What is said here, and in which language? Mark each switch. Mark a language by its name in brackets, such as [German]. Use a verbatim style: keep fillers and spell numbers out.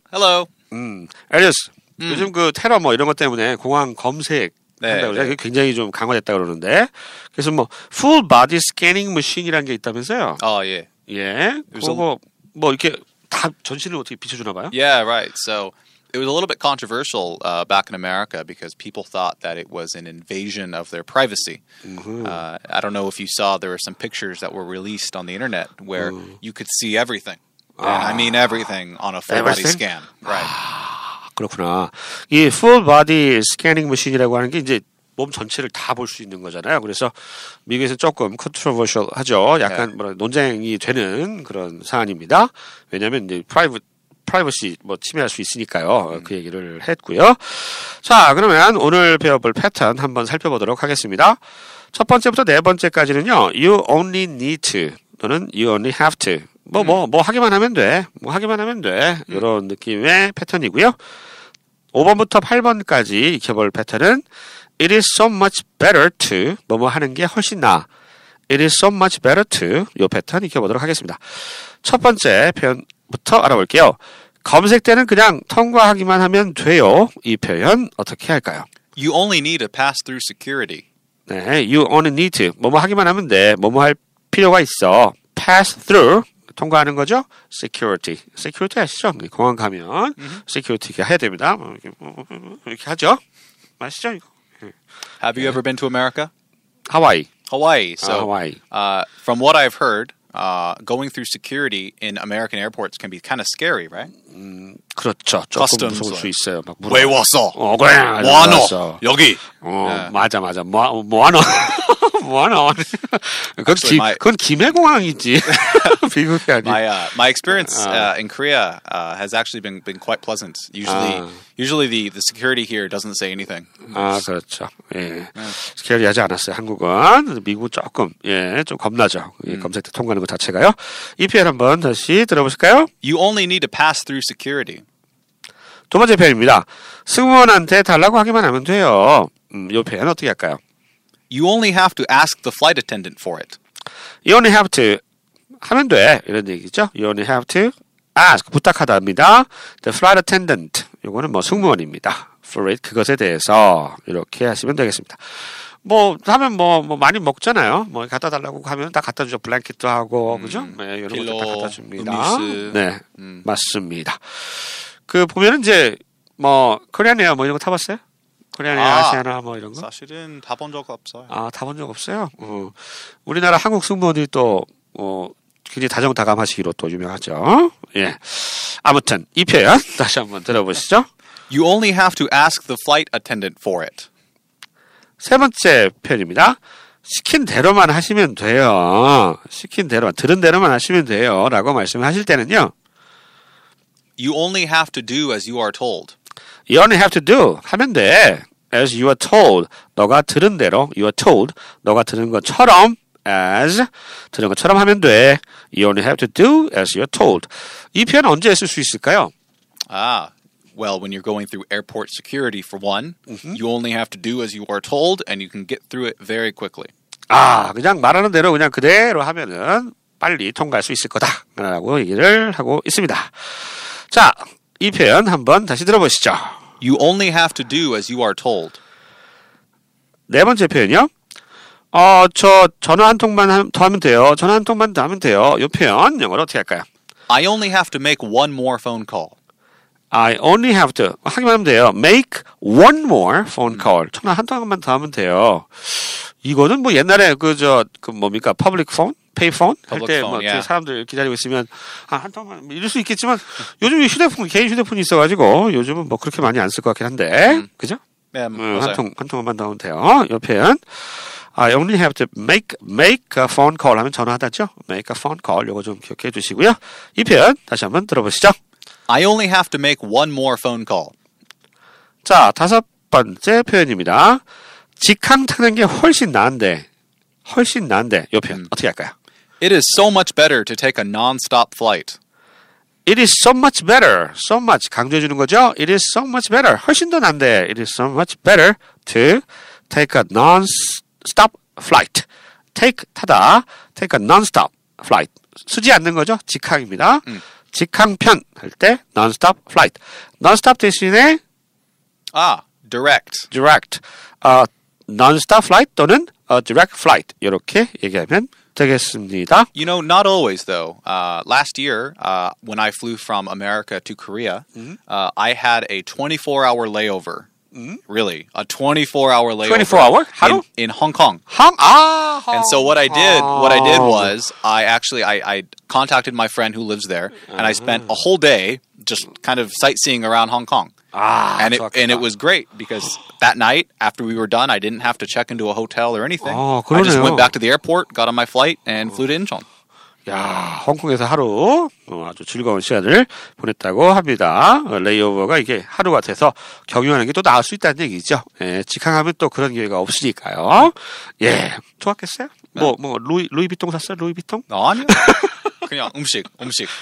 [English] Hello. [Korean] 음, 에리우스. 음. 요즘 그 테러 뭐 이런 것 때문에 공항 검색 네, 한다고 그러죠. 네. 그게 굉장히 좀 강화됐다 그러는데. 그래서 뭐 풀 바디 스캐닝 머신이라는 게 있다면서요. [English] Oh yeah. [Korean] 예. 요즘- 그거 뭐 이렇게 다 전신을 어떻게 비춰 주나 봐요? [English] Yeah, right. So it was a little bit controversial uh, back in America because people thought that it was an invasion of their privacy. Uh, I don't know if you saw, there were some pictures that were released on the internet where you could see everything. And I mean everything on a full body Everything? scan. Right. [Korean] 그렇구나. 이 풀 바디 스캐닝 머신이라고 하는 게 이제 몸 전체를 다 볼 수 있는 거잖아요. 그래서 미국에서 조금 컨트로버셜 하죠. 약간 뭐라 논쟁이 되는 그런 사안입니다. 왜냐하면 이제 프라이브 프라이버시 뭐 침해할 수 있으니까요. 그 얘기를 했고요. 자, 그러면 오늘 배워볼 패턴 한번 살펴보도록 하겠습니다. 첫 번째부터 네 번째까지는요. [English] You only need to [Korean] 또는 [English] you only have to [Korean] 뭐 뭐 뭐 하기만 하면 돼. 뭐 하기만 하면 돼. 이런 느낌의 패턴이고요. 오 번부터 팔 번까지 익혀볼 패턴은 [English] It is so much better to [Korean] 뭐뭐 하는 게 훨씬 나아. [English] It is so much better to [Korean] 이 패턴 익혀보도록 하겠습니다. 첫 번째 표현부터 알아볼게요. 검색 때는 그냥 통과하기만 하면 돼요. 이 표현 어떻게 할까요? [English] You only need to pass through security. [Korean] 네, [English] you only need to [Korean] 뭐뭐 하기만 하면 돼. 뭐뭐 할 필요가 있어. [English] Pass through [Korean] 통과하는 거죠. [English] Security, security [Korean] 아시죠? 공항 가면 security 이렇게 해야 됩니다. 뭐 이렇게, 뭐, 뭐, 뭐 이렇게 하죠. 아시죠? 이거? [English] Have you ever been to America? [Korean] 하와이. [English] Hawaii. So [Korean] 아, 하와이. [English] Uh, from what I've heard, uh, going through security in American airports can be kind of scary, right? [Korean] 그렇죠. 조금 [English] Customs. [Korean] 무서울 수 있어요. 막 물어. 왜 왔어? 어, 그래. 알았어. 여기. 어, 맞아, 맞아. 뭐, 뭐하노? 뭐하노? 그건, [English] Actually, 기, my- [Korean] 그건 김해공항이지. 미국이 아니. [English] My uh, my experience uh, in Korea uh, has actually been been quite pleasant. Usually, Ah. usually the, the security here doesn't say anything. [Korean] 아, 그렇죠. 예. 스케일이 하지 않았어요. 한국은. 미국은 조금, 예, 좀 겁나죠. 이 검색 때 통과하는 것 자체가요. 이 표현 한번 다시 들어보실까요? [English] You only need to pass through security. [Korean] 두 번째 표현입니다. 승무원한테 달라고 하기만 하면 돼요. 음, 이 표현 어떻게 할까요? [English] You only have to ask the flight attendant for it. You only have to [Korean] 하면 돼 이런 얘기죠. [English] You only have to ask [Korean] 부탁하다입니다. [English] The flight attendant [Korean] 요거는 뭐 승무원입니다. [English] For it [Korean] 그것에 대해서 이렇게 하시면 되겠습니다. 뭐 하면 뭐, 뭐 많이 먹잖아요. 뭐 갖다 달라고 하면 다 갖다 주죠. 블랭킷도 하고 그죠? 네, 이런 것도 다 필러, 갖다 줍니다. 음료수. 네, 맞습니다. 그 보면은 이제 뭐 코리안 에어 뭐 이런 거 타봤어요? 코리안 에어 아. 아시아나 뭐 이런 거? 사실은 다본 적 없어요. 아, 타본 적 없어요? 어. 우리나라 한국 승무원들이 또, 어, 굉장히 다정다감하시기로 또 유명하죠. 예. 아무튼, 이 표현 다시 한번 들어보시죠. [English] You only have to ask the flight attendant for it. [Korean] 세 번째 표현입니다. 시킨 대로만 하시면 돼요. 시킨 대로만, 들은 대로만 하시면 돼요. 라고 말씀을 하실 때는요. [English] You only have to do as you are told. You only have to do. [Korean] 하면 돼. [English] As you are told. [Korean] 너가 들은 대로. [English] You are told. [Korean] 너가 들은 것처럼. As. 들은 것처럼 하면 돼. [English] You only have to do as you are told. [Korean] 이 표현 언제 쓸 수 있을까요? [English] Ah, well, when you're going through airport security, for one, you only have to do as you are told, and you can get through it very quickly. [Korean] 아, 그냥 말하는 대로 그냥 그대로 하면은 빨리 통과할 수 있을 거다라고 얘기를 하고 있습니다. 자, 이 표현 한번 다시 들어보시죠. You only have to do as you are told. 네 번째 표현이요. 어, 저 전화 한 통만 함- 더 하면 돼요. 전화 한 통만 더 하면 돼요. 이 표현 영어로 어떻게 할까요? [English] I only have to make one more phone call. I only have to [Korean] 하기만 하면 돼요. [English] Make one more phone call. [Korean] 전화 한 통만 더 하면 돼요. 이거는 뭐 옛날에 그저그 뭡니까 [English] public phone, pay phone [Korean] 할 [English] Public [Korean] 때 뭐 [English] phone, yeah. [Korean] 사람들 기다리고 있으면 아, 한 통만 뭐 이럴 수 있겠지만 요즘 휴대폰 개인 휴대폰이 있어가지고 요즘은 뭐 그렇게 많이 안 쓸 것 같긴 한데 그죠? [English] Yeah, 음, was [Korean] 한 [English] I- [Korean] 통, 한 통만 더 하면 돼요. 옆에는 [English] I only have to make make a phone call [Korean] 하면 전화하다죠. [English] Make a phone call [Korean] 요거 좀 기억해 주시고요. 이 표현 다시 한번 들어보시죠. [English] I only have to make one more phone call. 자, 다섯 번째 표현입니다. 직항 타는 게 훨씬 나은데, 훨씬 나은데, 요 표현 어떻게 할까요? It is so much better to take a non-stop flight. It is so much better. [Korean] So much 강조해 주는 거죠. [English] It is so much better. [Korean] 훨씬 더 난데. [English] It is so much better to take a non-stop flight. Take 타다. Take a non-stop flight. [Korean] 쓰지 않는 거죠. 직항입니다. [English] 음. [Korean] 직항편 할 때 [English] non-stop flight. [Korean] non-stop 대신에 [English] 아, direct. direct. 아, non-stop flight 또는 a direct flight. [Korean] 이렇게 얘기하면 되겠습니다. [English] You know, not always though. Uh, last year, uh, when I flew from America to Korea, mm-hmm. uh, I had a twenty-four hour layover. Mm-hmm. Really, a twenty-four hour layover. twenty-four hour? How? In, in Hong Kong. Hong? Ah, Hong And so what I did, what I did was, I actually I, I contacted my friend who lives there, and I spent a whole day just kind of sightseeing around Hong Kong. Ah, and it and it was great because that night after we were done, I didn't have to check into a hotel or anything. 아, I just went back to the airport, got on my flight, and flew to Incheon. [Korean] 야, 홍콩에서 하루 어, 아주 즐거운 시간을 보냈다고 합니다. 어, 레이오버가 이게 하루가 돼서 경유하는 게 또 나을 수 있다는 얘기죠. 예, 직항하면 또 그런 기회가 없으니까요. 예, 좋았겠어요? 네. 뭐, 뭐 루이 루이비통 샀어요? 루이비통? 어, 아니요. 그냥 음식, 음식.